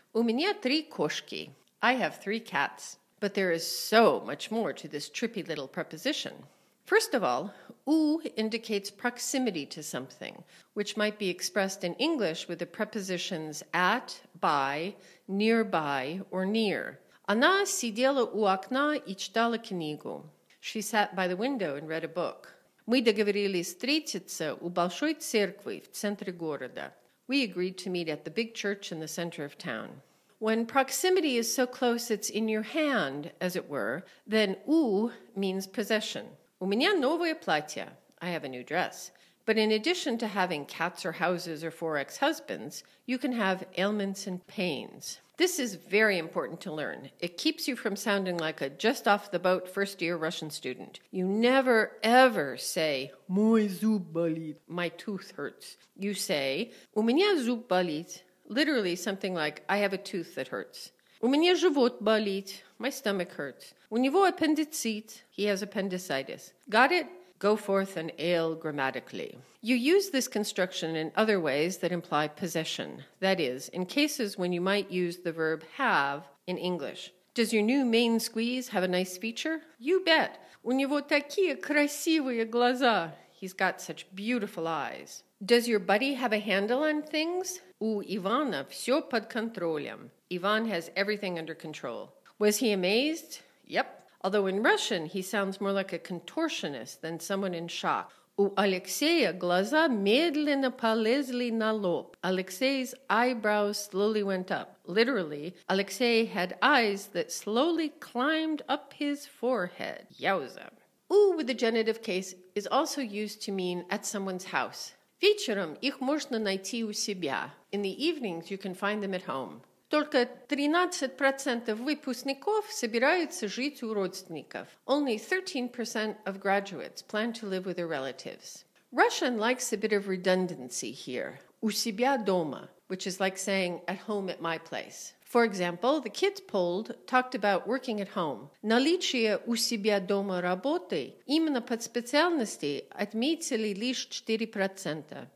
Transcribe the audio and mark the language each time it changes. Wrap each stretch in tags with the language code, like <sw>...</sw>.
<ru>У меня три кошки.</ru> <en>I have three cats. But there is so much more to this trippy little preposition. First of all, ooh indicates proximity to something, which might be expressed in English with the prepositions at, by, nearby, or near.</en> <ru>Она сидела у окна и читала книгу.</ru> <en>She sat by the window and read a book.</en> <ru>Мы договорились встретиться у большой церкви в центре города.</ru> <en>We agreed to meet at the big church in the center of town. When proximity is so close it's in your hand, as it were, then у means possession.</en> <ru>У меня новое платье.</ru> <en>I have a new dress. But in addition to having cats or houses or four ex-husbands, you can have ailments and pains. This is very important to learn. It keeps you from sounding like a just-off-the-boat first-year Russian student. You never, ever say,</en> <ru>Мой зуб болит.</ru> <en>My tooth hurts. You say,</en> <ru>У меня зуб болит.</ru> <en>Literally something like, I have a tooth that hurts.</en> <ru>У меня живот болит.</ru> <en>My stomach hurts.</en> <ru>У него аппендицит.</ru> <en>He has appendicitis. Got it? Go forth and ail grammatically. You use this construction in other ways that imply possession. That is, in cases when you might use the verb have in English. Does your new main squeeze have a nice feature? You bet.</en> <ru>У него такие красивые глаза.</ru> <en>He's got such beautiful eyes. Does your buddy have a handle on things?</en> <ru>У Ивана все под контролем.</ru> <en>Иван has everything under control. Was he amazed? Yep. Although in Russian, he sounds more like a contortionist than someone in shock.</en> <ru>У Алексея глаза медленно полезли на лоб.</ru> <en>Алексей's eyebrows slowly went up. Literally, Алексей had eyes that slowly climbed up his forehead. Yowza. Ooh, with the genitive case, is also used to mean at someone's house.</en> <ru>Вечером их можно найти у себя.</ru> <en>In the evenings, you can find them at home.</en> <ru>Только 13% выпускников собираются жить у родственников.</ru> <en>Only 13% of graduates plan to live with their relatives. Russian likes a bit of redundancy here.</en> <ru>У себя дома,</ru> <en>which is like saying at home at my place. For example, the kids polled talked about working at home.</en> <ru>Наличие у себя дома работы именно под специальности отметили лишь 4%.</ru>